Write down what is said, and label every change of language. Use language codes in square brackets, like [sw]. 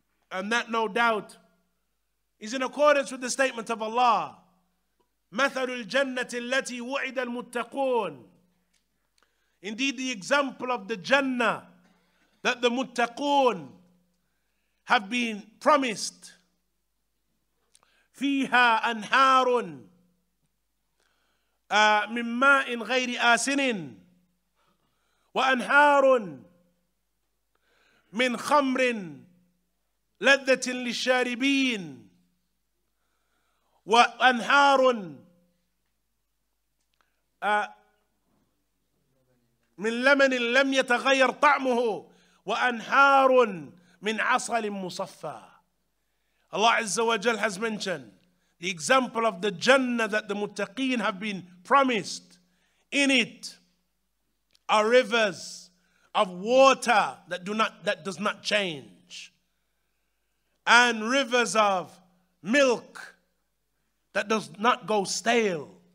[en] And that, no doubt, is in accordance with the statement of Allah. [ar] مَثَلُ الْجَنَّةِ الَّتِي وُعِدَ الْمُتَّقُونَ. [en] Indeed, the example of the Jannah that the muttaqoon have been promised. [ar] فِيهَا أَنْهَارٌ مِنْ مَاءٍ غَيْرِ آسِنٍ وَأَنْهَارٌ مِنْ خَمْرٍ لذة للشاربين وأنهار من لمن لم يتغير طعمه وأنهار من عسل مصفى. [en] Allah Azza wa Jal has mentioned the example of the Jannah that the Muttaqeen have been promised. In it are rivers of water that does not change, and rivers of milk that does not go stale.